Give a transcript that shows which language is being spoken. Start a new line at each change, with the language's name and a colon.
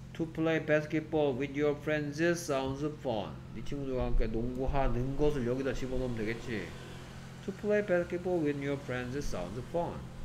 English: To play basketball with your friends sounds fun.
Korean: 네 친구들과 함께 농구하는 것을 여기다 집어넣으면 되겠지.
English: To play basketball with your friends sounds fun.